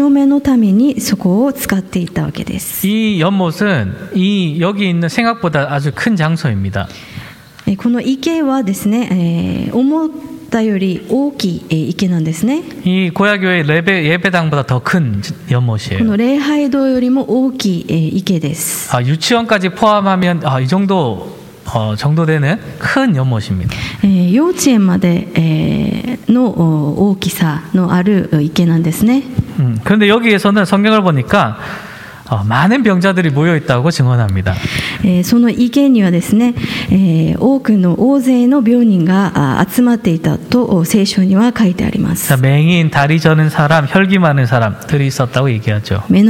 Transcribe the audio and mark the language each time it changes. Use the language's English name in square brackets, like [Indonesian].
[Japanese] つまりここで祭司は生贄に使う羊を洗ってまた治療と清めのためにそこを使っていたわけです. [Korean] 이 연못은 이 여기 있는 생각보다 아주 큰 장소입니다. [Japanese] この池はですね、思ったより大きい池なんですね. [Korean] 이 고야교회 예배당보다 더 큰 연못이에요. [Japanese] この礼拝堂よりも大きい池です. [Korean] 아, 유치원까지 포함하면 아, 이 정도 정도 되는 큰 연못입니다. [Japanese] 幼稚園までの大きさのある池なんですね. [Korean] 그런데 여기에서는 성경을 보니까 많은 병자들이 모여 있다고 증언합니다. [Japanese] その池にはですね、多くの大勢の病人が集まっていたと聖書には書いてあります. [Korean] 맹인, 다리 저는 사람, 혈기 많은 사람들이 있었다고 얘기하죠.